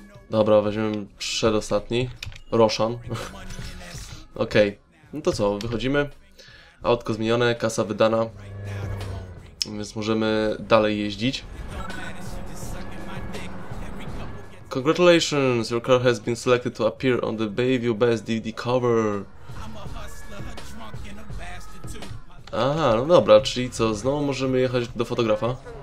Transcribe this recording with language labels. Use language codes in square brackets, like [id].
[pl] Dobra, weźmiemy przedostatni. Roshan. Okej, okay. No to co, wychodzimy. Autko zmienione, kasa wydana. Więc możemy dalej jeździć. [en] Congratulations, your car has been selected to appear on the Bayview Best DVD cover. [pl] Aha, no dobra, czyli co, znowu możemy jechać do fotografa.